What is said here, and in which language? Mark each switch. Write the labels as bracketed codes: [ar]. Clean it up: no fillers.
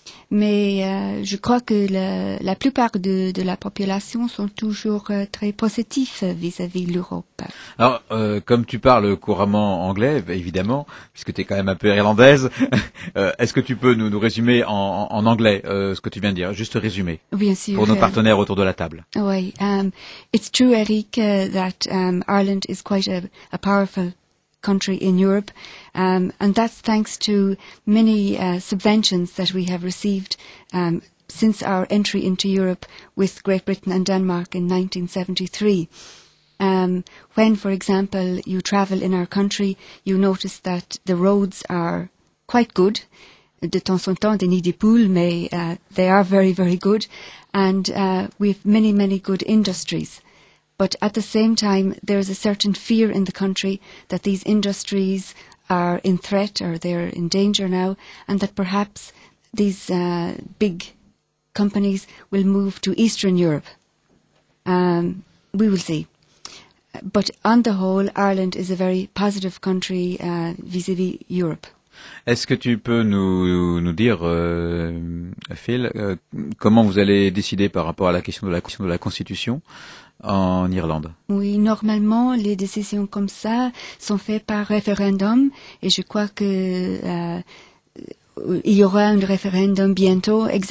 [fr] Mais je crois que la plupart de la population sont toujours très positifs vis-à-vis de l'Europe. Alors, comme tu parles couramment anglais, évidemment, puisque tu es quand même un peu irlandaise, est-ce que tu peux nous résumer en anglais ce que tu viens de dire? Juste résumer. Bien sûr. Pour nos partenaires autour de la table. Oui. [en] It's true, Eric, that Ireland is quite a powerful country in Europe, and that's thanks to many subventions that we have received since our entry into Europe with Great Britain and Denmark in 1973. When, for example, you travel in our country, you notice that the roads are quite good. [fr] De temps en temps, des nids de poules, mais [en] they are very, very good. And we have many, many good industries. But at the same time, there is a certain fear in the country that these industries are in threat or they're in danger now, and that perhaps these big companies will move to Eastern Europe. We will see. But on the whole, Ireland is a very positive country vis-à-vis Europe. [fr] Est-ce que tu peux nous dire, Phil, comment vous allez décider par rapport à la question de la Constitution en Irlande? Oui, normalement, les décisions comme ça sont faites par référendum, et je crois que il y aura un référendum bientôt.